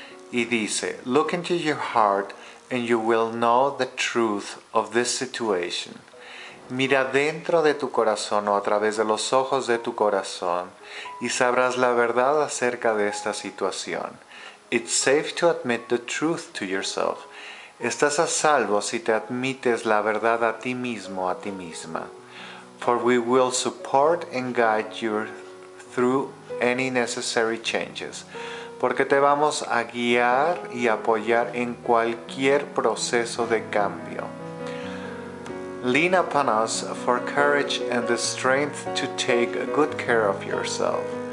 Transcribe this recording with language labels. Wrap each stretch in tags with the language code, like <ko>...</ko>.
<es>Y dice,</es> <en>look into your heart and you will know the truth of this situation.</en> <es>Mira dentro de tu corazón o a través de los ojos de tu corazón y sabrás la verdad acerca de esta situación.</es> <en>It's safe to admit the truth to yourself.</en> <es>Estás a salvo si te admites la verdad a ti mismo, a ti misma.</es> <en>For we will support and guide you through any necessary changes.</en> <es>Porque te vamos a guiar y apoyar en cualquier proceso de cambio.</es> <en>Lean upon us for courage and the strength to take good care of yourself.</en>